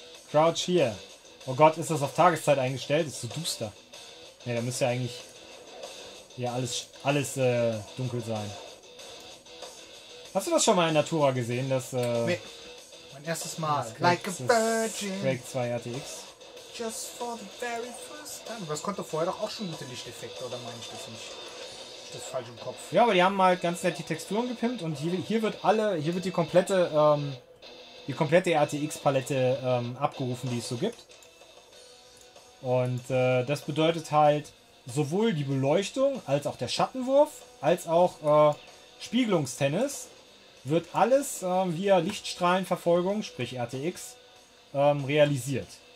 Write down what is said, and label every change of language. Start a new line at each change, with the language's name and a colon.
German: Crouch hier. Oh Gott, ist das auf Tageszeit eingestellt? Ist so duster. Ja, da müsste ja eigentlich ja alles dunkel sein. Hast du das schon mal in Natura gesehen? Mein erstes Mal.
English: Like a Virgin. Quake 2 RTX. Just for the very first time.
German: Aber es konnte vorher doch auch schon gute Lichteffekte, oder meine ich das nicht? Das falsch im Kopf. Ja, aber die haben mal ganz nett die Texturen gepimpt und hier wird die komplette RTX-Palette abgerufen, die es so gibt. Und das bedeutet halt sowohl die Beleuchtung als auch der Schattenwurf als auch Spiegelungstennis wird alles via Lichtstrahlenverfolgung, sprich RTX, realisiert.